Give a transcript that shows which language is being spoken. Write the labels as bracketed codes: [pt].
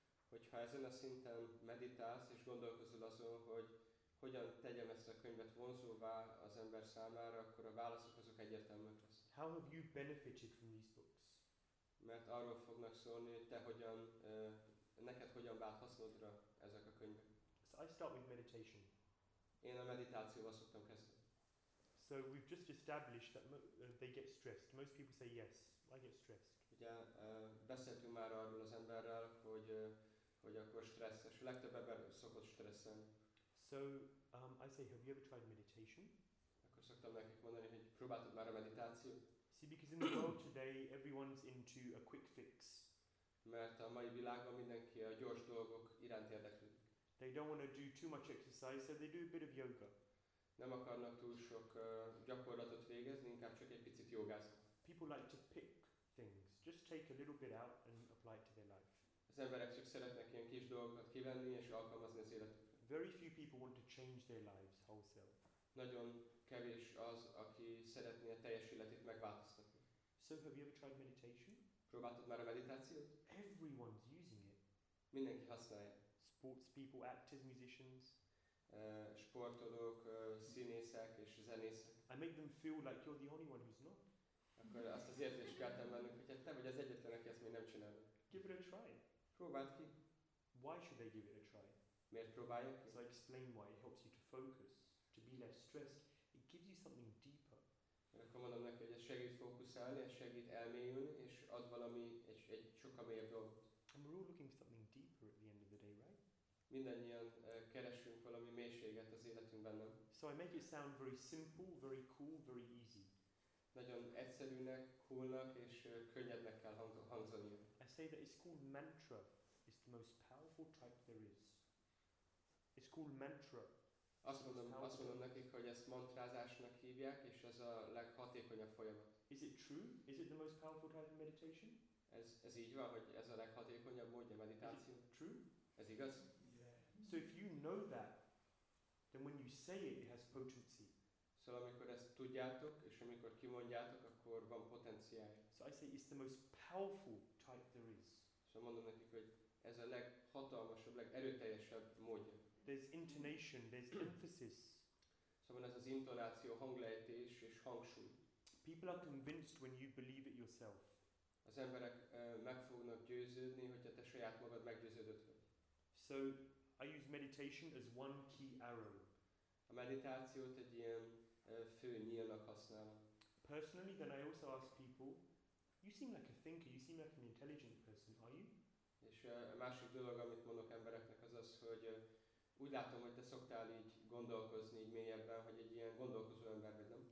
[hu] Hogyha ezen a szinten meditálsz és gondolkozol azon, hogy hogyan tegyem ezt a könyvet vonzóvá az ember számára, akkor a válaszok azok egyértelműek lesznek. [en] How have you benefited from these books? [hu] Mert arról fognak szólni, hogy te hogyan, neked hogyan vált hasznodra ezek a könyvek. [en] So I start with meditation. [hu] Én a meditációval szoktam kezdeni. [en] So we've just established that they get stressed. Most people say yes, I get stressed. [hu] Ugye beszéltünk már arról az emberrel, hogy hogy akkor stresszes. Legtöbb ember szokott stresszelni. [en] So I say, have you ever tried meditation? [hu] Akkor szoktam nekik mondani, hogy próbáltad már a meditációt? [en] See, because in the world today, everyone's into a quick fix. [hu] Mert a mai világban mindenki a gyors dolgok iránt érdeklődik. [en] They don't want to do too much exercise, so they do a bit of yoga. [hu] Nem akarnak túl sok gyakorlatot végezni, inkább csak egy picit jogáznak. [en] People like to pick things, just take a little bit out and apply it to their life. [hu] Az emberek csak szeretnek ilyen kis dolgokat kivenni és alkalmazni az életükre. [en] Very few people want to change their lives wholesale. [hu] Nagyon kevés az, aki szeretné a teljes életét megváltoztatni. [en] So have you ever tried meditation? [hu] Próbáltad már a meditációt? [en] Everyone's using it. [hu] Mindenki használja. [en] Sports people, actors, musicians. [hu] Sportolók, színészek és zenészek. [en] I make them feel like you're the only one who's not. [hu] Akkor azt az érzést keltem bennük, hogy hát te vagy az egyetlen, aki ezt még nem csinálja. [en] Give it a try. [hu] Próbáld ki. [en] Why should they give it a try? [hu] Miért próbáljuk ki? [en] So I explain why. It helps you to focus, to be less stressed. It gives you something deeper. [hu] Akkor mondom neki, hogy ez segít fókuszálni, ez segít elmélyülni, és ad valami, egy sokkal mélyebb dolgot. [en] And we're all looking for something deeper at the end of the day, right? [hu] Mindannyian keresünk valami mélységet az életünkben, nem? [en] So I make it sound very simple, very cool, very easy. [hu] Nagyon egyszerűnek, coolnak és könnyednek kell hangzania. [en] I say that it's called mantra. It's the most powerful type there is. It's called mantra. [hu] Azt mondom nekik, hogy ezt mantrázásnak hívják, és ez a leghatékonyabb folyamat. [en] Is it true? Is it the most powerful type of meditation? [hu] Ez így van, hogy ez a leghatékonyabb módja meditáció. [en] Is it true? [hu] Ez igaz? [en] So if you know that, then when you say it, it has potency. [hu] So amikor ezt tudjátok, és amikor kimondjátok, akkor van potenciál. [en] So I say it's the most powerful type there is. [hu] So mondom nekik, hogy ez a leghatalmasabb, legerőteljesebb módja. [en] There's intonation, there's emphasis. [hu] So van ez az intonáció, hanglejtés és hangsúly. [en] People are convinced when you believe it yourself. [hu] Az emberek meg fognak győződni, hogyha te saját magad meggyőződött vagy. [en] So I use meditation as one key arrow. [hu] A meditációt egy ilyen fő nyílnak használom. [en] Personally, then I also ask people, You seem like a thinker, you seem like an intelligent person, are you? [hu] És a másik dolog, amit mondok embereknek, az az, hogy úgy látom, hogy te szoktál így gondolkozni, így mélyebben, hogy egy ilyen gondolkozó ember vagy, nem?